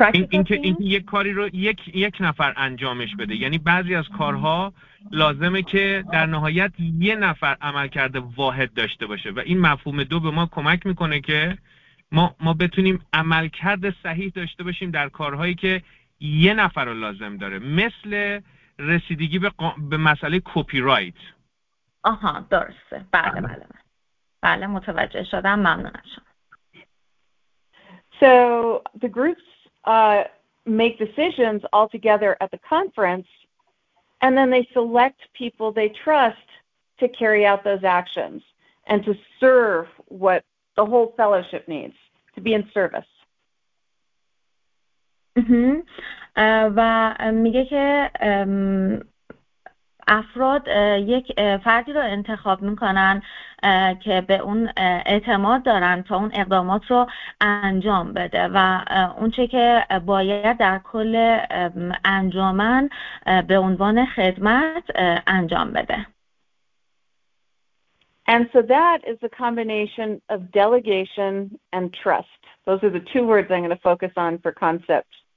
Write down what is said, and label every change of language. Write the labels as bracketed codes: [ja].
[fa] این که یک کاری رو یک نفر انجامش بده، یعنی بعضی از کارها لازمه که در نهایت یه نفر عمل کرده واحد داشته باشه و این مفهوم دو به ما کمک میکنه که ما بتونیم عملکرد صحیح داشته باشیم در کارهایی که یه نفر رو لازم داره، مثل رسیدگی به مسئله کپی رایت. آها درسته، بله بله بله متوجه شدم، ممنون از شما. [en] So the groups make decisions all together at the conference, and then they select people they trust to carry out those actions and to serve what the whole fellowship needs, to be in service. [fa] و میگه که افراد یک فردی رو انتخاب میکنن که به اون اعتماد دارن تا اون اقدامات رو انجام بده و اون چه که باید در کل انجامن به عنوان خدمت انجام بده. [en] And so that is a combination of delegation and trust. Those are the two words I'm going to focus on for concept.